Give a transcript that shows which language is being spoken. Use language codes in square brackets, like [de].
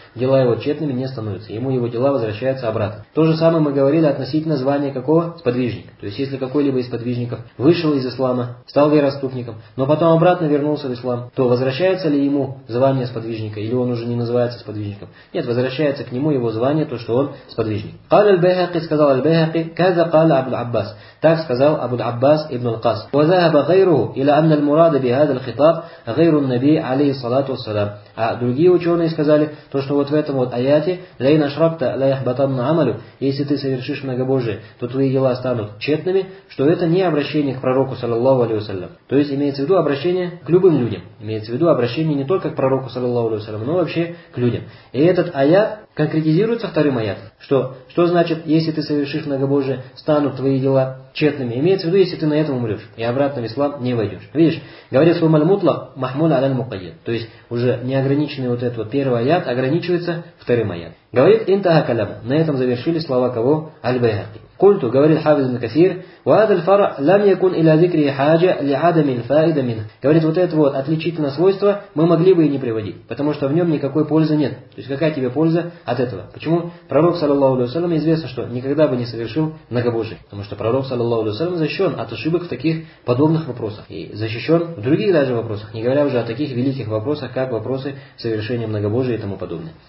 [ru] Дела его тщетными не становятся. Ему его дела возвращаются обратно. То же самое мы говорили относительно звания какого? Сподвижника. То есть, если какой-либо из сподвижников вышел из ислама, стал вероотступником, но потом обратно вернулся в ислам, то возвращается ли ему звание сподвижника, или он уже не называется сподвижником? Нет, возвращается к нему его звание, то, что он сподвижник. [ar] قال البيهقي, сказал البيهقي, كذا قال عبد العباس. [ru] Так сказал Абу аль-Аббас ибн аль-Кас. [ar] وذهب غيره الى ان المراد بهذا الخطاب غير النبي عليه الصلاه والسلام. [ru] А другие ученые сказали, то, что вот в этом вот аяте «Лей нашрабта, лей ахбатанна амалю», если ты совершишь многобожие, то твои дела станут тщетными, что это не обращение к пророку, саллаллаху алейхи ва саллям. То есть имеется в виду обращение к любым людям. Имеется в виду обращение не только к пророку, саллаллаху алейхи ва саллям, но вообще к людям. И этот аят конкретизируется вторым аятом. Что значит, если ты совершишь многобожие, станут твои дела тщетными? Имеется в виду, если ты на этом умрешь и обратно в ислам не войдешь. Видишь, говорит «Сумал мутлах махмул аляль мукайид». То есть уже неограниченный вот этот вот первый аят ограничивается вторым аят. Говорит «Интага калям». На этом завершили слова кого? Аль-Байхаки. [ar] Культу, [ru] говорит Хафиз ибн Касир, [ar] وَهَذَا الْفَرَعْ لَمْ يَكُنْ إِلَى ذِكْرِهِ حَاجَ لِعَدَمِ الْفَائِدَ مِنْهُ. [ru] Говорит, вот это вот отличительное свойство мы могли бы и не приводить, потому что в нем никакой пользы нет. То есть какая тебе польза от этого? Почему? Пророк, саллаллаху алейхи ва саллям, известно, что никогда бы не совершил многобожие. Потому что пророк, саллаллаху алейхи ва саллям, защищен от ошибок в таких подобных вопросах. И защищен в других даже вопросах, не говоря уже о таких великих вопросах, как вопросы совершения многобожия и тому подобное.